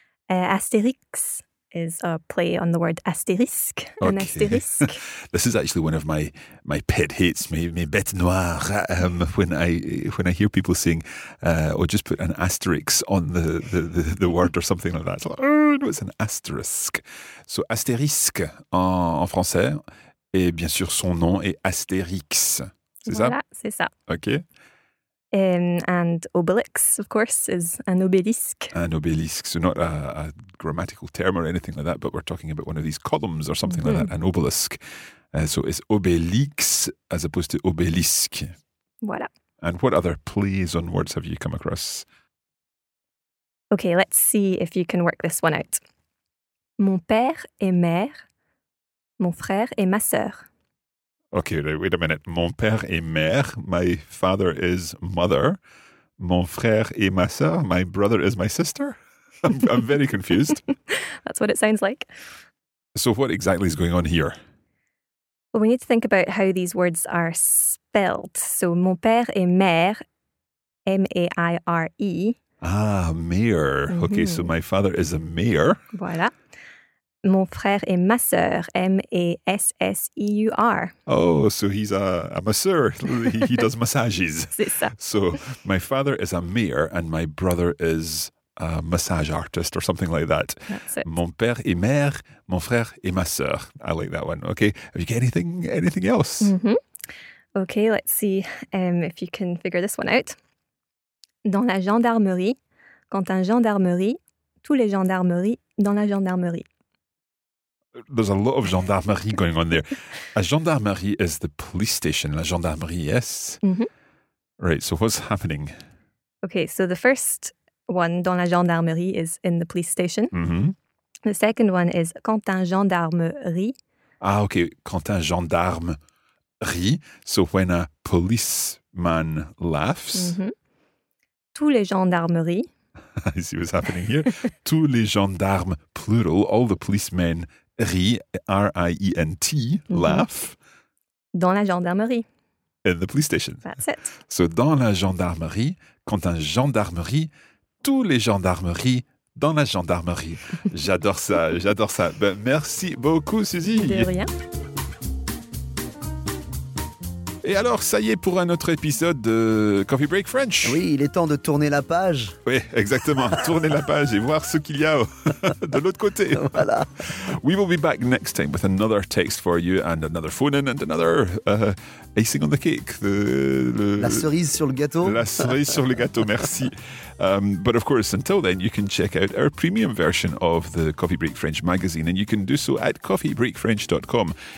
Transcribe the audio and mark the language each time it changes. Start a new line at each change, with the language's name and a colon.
English: Astérix is a play on the word astérisque, okay. An asterisk. This is actually one of my pet hates,
French: mes bêtes noires,
English: when I hear people saying, just put an asterisk on the word or something like that. Like, oh, it's an asterisk.
French: So astérisque en français, et bien sûr son nom est Astérix. C'est ça.
English: OK. And obelix, of course, is an obelisk. An obelisk. So not a grammatical term or anything like that, but we're talking about one of these columns or something like that, an obelisk. So it's obelix as opposed to obelisk.
French: Voilà.
English: And what other plays on words have you come across? Okay, let's see if you can work this one out.
French: Mon père et mère, mon frère et ma sœur.
English: Okay, wait a minute.
French: Mon père et mère,
English: my father is mother.
French: Mon frère et ma sœur,
English: my brother is my sister. I'm very confused. That's what it sounds like. So what exactly is going on here? Well, we need to think about how these words are spelled. So
French: mon père et mère,
English: M-A-I-R-E. Ah, mère. Mm-hmm. Okay, so my father is a mère.
French: Voilà. Mon frère et ma sœur, M-A-S-S-E-U-R.
English: Oh, so he's a masseur. He does massages.
French: C'est ça.
English: So my father is a mère and my brother is a massage artist or something like that. That's it.
French: Mon père et mère, mon frère et ma sœur.
English: I like that one. Okay. Have you got anything else? Mm-hmm. Okay, let's see if you can figure this one out.
French: Dans la gendarmerie, quand un gendarmerie, tous les gendarmeries dans la gendarmerie.
English: There's a lot of gendarmerie going on there. A gendarmerie is the police station,
French: la gendarmerie,
English: yes? Mm-hmm. Right, so what's happening? Okay, so the first one,
French: dans la gendarmerie,
English: is in the police station. Mm-hmm. The second one is
French: quand un gendarmerie.
English: Ah, okay,
French: quand un gendarmerie,
English: so when a policeman laughs.
French: Mm-hmm. Tous les gendarmeries.
English: I see what's happening here.
French: Tous les gendarmes,
English: plural, all the policemen, R-I-E-N-T, mm-hmm. laugh.
French: Dans la gendarmerie.
English: In the police station. That's it.
French: So dans la gendarmerie, quand un gendarmerie, tous les gendarmeries dans la gendarmerie. J'adore ça, j'adore ça. Ben, merci beaucoup, Suzy. De rien. Et alors, ça y est pour un autre épisode de Coffee Break French. Oui, il est temps de tourner la page. Oui, exactement. Tourner la page et voir ce qu'il y a de l'autre côté. Voilà.
English: We will be back next time with another text for you and another phone in and another icing on the cake.
French: La cerise sur le gâteau. La cerise sur le gâteau, merci.
English: But of course, until then, you can check out our premium version of the Coffee Break French magazine, and you can do so at coffeebreakfrench.com.